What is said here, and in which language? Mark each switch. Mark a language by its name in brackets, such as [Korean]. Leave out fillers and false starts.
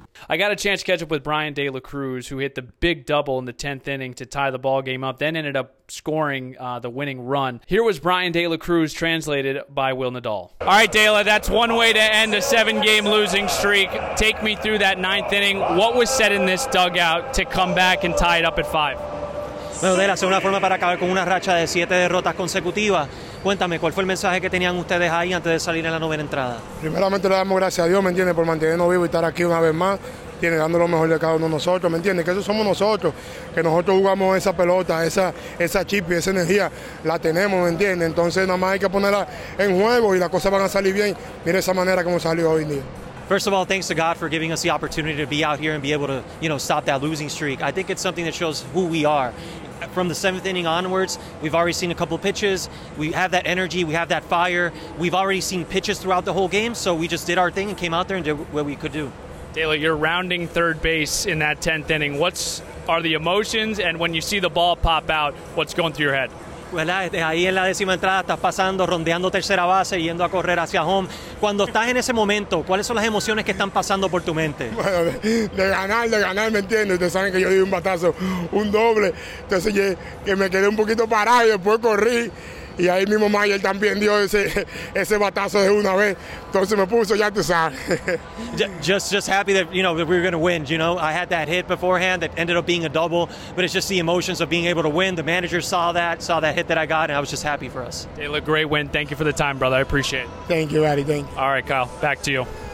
[English] I got a chance to catch up with Brian De La Cruz, who hit the big double in the 10th inning to tie the ball game up, then ended up scoring the winning run. Here was Brian De La Cruz, translated by Will Nadal. All right, Dela, that's one way to end a 7-game losing streak. Take me through that 9th inning. What was said in this dugout to come back and tie it up at 5? [Spanish] Bueno, Dela, es una forma para acabar con una racha de 7 derrotas consecutivas. Cuéntame, ¿cuál fue el mensaje que tenían ustedes ahí antes de salir en la 9ª entrada? Primeramente le damos gracias a Dios, ¿me entiendes?, por mantenernos vivos y estar aquí una vez más, ¿entiendes?, dando lo mejor de cada uno de nosotros, ¿me entiendes?, que eso somos nosotros, que nosotros jugamos esa pelota, esa chip y esa energía, la tenemos, ¿me entiendes?, entonces nada más hay que ponerla en juego y las cosas van a salir bien, mire esa manera como salió hoy en día. [English] First of all, thanks to God for giving us the opportunity to be out here and be able to, you know, stop that losing streak. I think it's something that shows who we are. From the 7th inning onwards, we've already seen a couple pitches. We have that energy. We have that fire. We've already seen pitches throughout the whole game, so we just did our thing and came out there and did what we could do. Dela, you're rounding third base in that 10th inning. What are the emotions, and when you see the ball pop out, what's going through your head? [Spanish] ¿verdad? Ahí en la décima entrada estás pasando, rondeando tercera base, yendo a correr hacia home. Cuando estás en ese momento, ¿cuáles son las emociones que están pasando por tu mente? Bueno, de ganar, ¿me entiendes? Ustedes saben que yo di un batazo, un doble. Entonces, que me quedé un poquito parado y después corrí. Y ahí mismo Mayer también dio ese batazo de una vez. Entonces me puso ya, tú sabes. [English] Just happy that, you know, that we were going to win. You know, I had that hit beforehand that ended up being a double. But it's just the emotions of being able to win. The manager saw that hit that I got, and I was just happy for us. Taylor, great win. Thank you for the time, brother. I appreciate it. Thank you, Addy. Thank you. All right, Kyle, back to you.